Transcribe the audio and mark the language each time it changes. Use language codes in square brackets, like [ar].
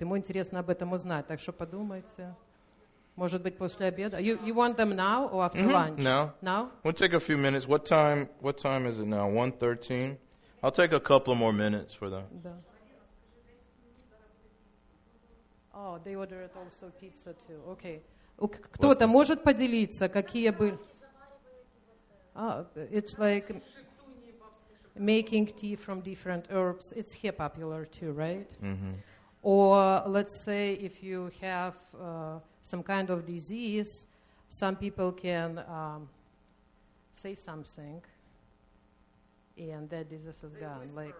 [ru] Ему интересно об этом узнать, так что подумайте. Может быть, после обеда. [en] You want them now or after lunch? Now? We'll take a few minutes. What time is it now? 1:13? I'll take a couple more minutes for that. [ru] Да. [en] Oh, they ordered also pizza too. Okay. [ru] Кто-то может поделиться, какие были... [en] it's like making tea from different herbs. It's here popular too, right? Or let's say if you have some kind of disease, some people can say something and that disease is gone.